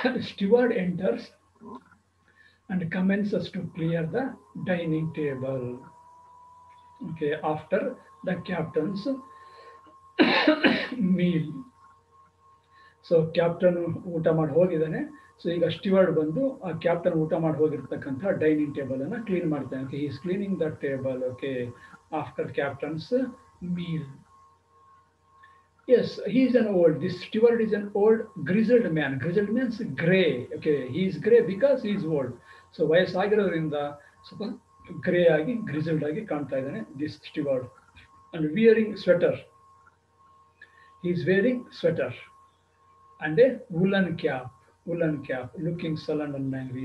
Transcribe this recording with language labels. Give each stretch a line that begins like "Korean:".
English: Steward enters and commences to clear the dining table, okay, after the captain's meal.
Kannada: So captain ಊಟ ಮಾಡಿ ಹೋಗಿದ್ದಾನೆ. So ಈಗ ಸ್ಟಿವರ್ಡ್ ಬಂದು ಆ ಕ್ಯಾಪ್ಟನ್ ಊಟ ಮಾಡಿ ಹೋಗಿರ್ತಕ್ಕಂಥ ಡೈನಿಂಗ್ ಟೇಬಲ್ ಅನ್ನು ಕ್ಲೀನ್ ಮಾಡ್ತಾನೆ.
English: Okay, is cleaning that table, okay, after captain's meal. Yes, he is an old, this steward is an old grizzled man. Grizzled means grey. Okay, he is grey because is old.
Kannada: So ವಯಸ್ಸಾಗಿರೋದ್ರಿಂದ ಸ್ವಲ್ಪ grey ಆಗಿ ಗ್ರಿಜಲ್ಡ್ ಆಗಿ ಕಾಣ್ತಾ ಇದ್ದಾನೆ this ಸ್ಟಿವರ್ಡ್.
English: And wearing sweater, he is wearing sweater and a woolen cap, looking sullen and angry.